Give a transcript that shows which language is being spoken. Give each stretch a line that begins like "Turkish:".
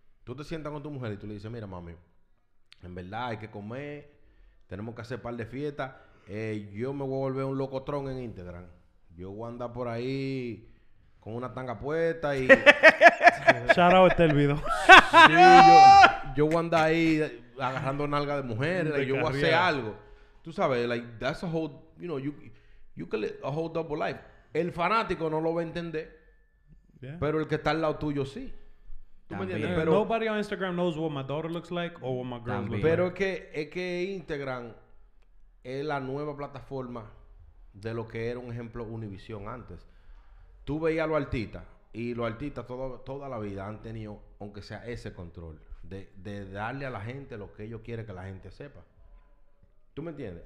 Spanish: Tú te sientas con tu mujer y tú le dices, mira, mami, en verdad hay que comer, tenemos que hacer par de fiestas, yo me voy a volver un locotrón en Instagram. Yo voy a andar por ahí con una tanga puesta y... Shout out este olvido. Sí, yo voy a andar ahí agarrando nalga de mujeres, de yo carrera. Voy a hacer algo. Tú sabes,
English: like, that's a whole, you know, you can live a whole double life.
Spanish: El fanático no lo va a entender, pero el que está al lado tuyo sí. ¿Tú me entiendes?
English: Pero, nobody on Instagram knows what my daughter looks like or what my girl looks like.
Spanish: Pero es que Instagram es la nueva plataforma de lo que era un ejemplo Univision antes. Tú veías a los artistas, y los artistas toda la vida han tenido, aunque sea ese control, de darle a la gente lo que ellos quieren que la gente sepa. ¿Tú me entiendes?